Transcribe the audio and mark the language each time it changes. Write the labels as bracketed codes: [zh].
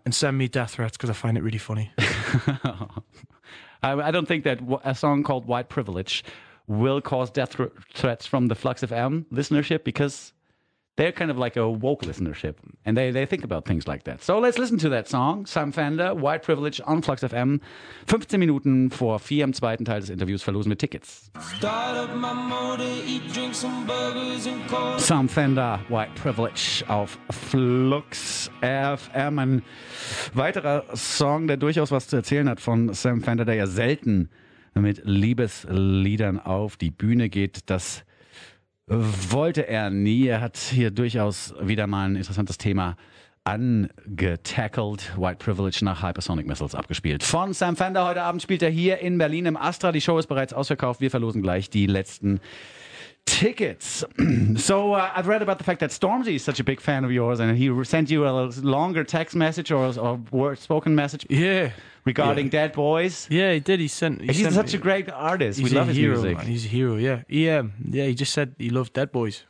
[en] And send me death threats because I find it really funny. I don't think that a song called White Privilege will cause death threats from the Flux FM listenership, because they're kind of like a woke listenership and they think about things like that. So let's listen to that song, Sam Fender, White Privilege on Flux FM. [de] 15 Minuten vor 4 am zweiten Teil des Interviews verlosen wir Tickets. [en] Start up my motor, eat, drink some burgers and cold. [de] Sam Fender, White Privilege auf Flux FM. Ein weiterer Song, der durchaus was zu erzählen hat von Sam Fender, der ja selten mit Liebesliedern auf die Bühne geht. Das wollte er nie. Er hat hier durchaus wieder mal ein interessantes Thema angetackelt. White Privilege nach Hypersonic Missiles abgespielt. Von Sam Fender. Heute Abend spielt er hier in Berlin im Astra. Die Show ist bereits ausverkauft. Wir verlosen gleich die letzten tickets. [en] So I've read about the fact that Stormzy is such a big fan of yours, and he sent you a longer text message or word spoken message. Yeah. Regarding Dead Boys. Yeah, he did. He's such a great artist. He's we love a hero, his music. Man. He's a hero, yeah. He just said he loved Dead Boys.